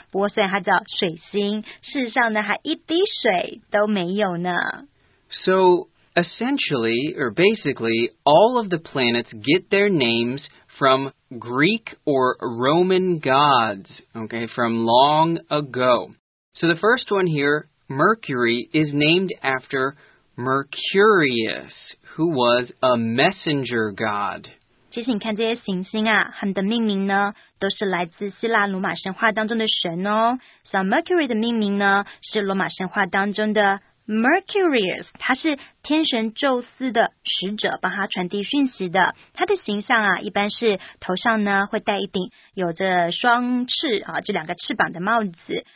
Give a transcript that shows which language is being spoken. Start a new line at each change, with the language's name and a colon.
Chinese: 不过虽然它叫水星，事实上呢，它一滴水都没有呢。
English: So, essentially, or basically, all of the planets get their names from Greek or Roman gods, okay, from long ago. So the first one here,Mercury is named after Mercurius, who was a messenger god.
Chinese: 其实你看这些行星啊，他们的命名呢，都是来自希腊罗马神话当中的神哦。 So Mercury 的命名呢，是罗马神话当中的 Mercurius， 他是天神宙斯的使者，帮他传递讯息的。他的形象啊，一般是头上呢会戴一顶有着双翅啊，这两个翅膀的帽子。